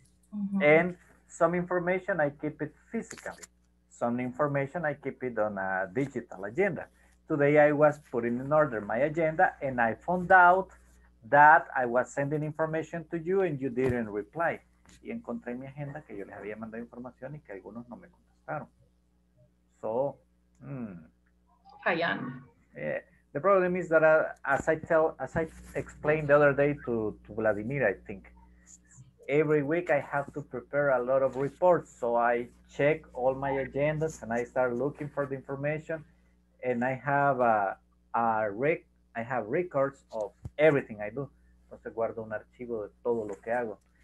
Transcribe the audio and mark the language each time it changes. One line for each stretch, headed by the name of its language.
English: Mm-hmm. And some information, I keep it physically. Some information, I keep it on a digital agenda. Today, I was putting in order my agenda, and I found out that I was sending information to you and you didn't reply.
Spanish: Y encontré mi agenda que yo les había mandado información y que algunos no me contestaron.
English: So,
Spanish: Fallando.
English: The problem is that as I explained the other day to Vladimir, I think, every week I have to prepare a lot of reports. So I check all my agendas and I start looking for the information. And I have records of everything I do.
Spanish: Entonces guardo un archivo de todo lo que hago.